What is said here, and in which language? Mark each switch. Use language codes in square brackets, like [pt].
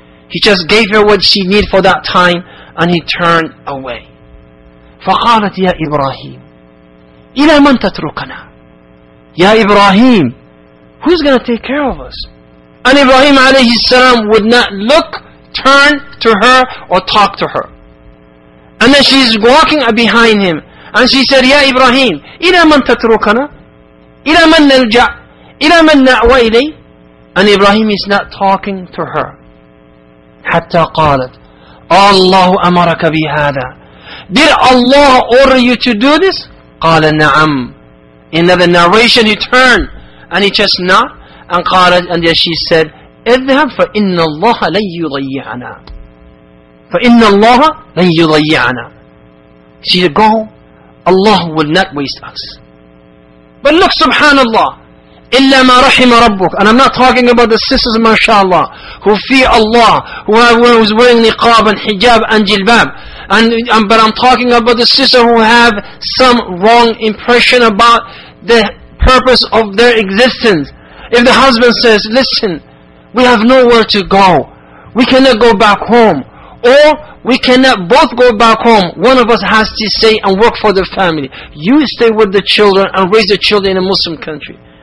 [en] He just gave her what she needed for that time, and he turned away. [ar] فَقَالَتْ يَا إِبْرَاهِيمُ إِلَى مَنْ تَتْرُكَنَا يَا إِبْرَاهِيمُ, [en] who's going to take care of us? And Ibrahim alayhi salam would not look, turn to her, or talk to her. And then she's walking behind him, and she said, [ar] يَا إِبْرَاهِيمُ إِلَى مَنْ تَتْرُكَنَا إِلَى مَنْ نَلْجَعْ إِلَى مَنْ نَعْوَى إِلَيْهِ. [en] And Ibrahim is not talking to her. [ar] حتى قالت الله أمرك بهذا, [en] did Allah order you to do this? [ar] قال نعم. [en] In another narration he turned and he just not, and [ar] قالت, [en] and then she said, [ar] اذهب فإن الله لن يضيعنا, [en] فإن الله لن يضيعنا. She said, go, Allah will not waste us. But look, [ar] subhanAllah, إِلَّا مَا رَحِمَ رَبُّكَ. [en] And I'm not talking about the sisters, mashallah, who fear Allah, who is wearing niqab and hijab and jilbab. But I'm talking about the sisters who have some wrong impression about the purpose of their existence. If the husband says, listen, we have nowhere to go, we cannot go back home, or we cannot both go back home, one of us has to stay and work for the family, you stay with the children and raise the children in a Muslim country.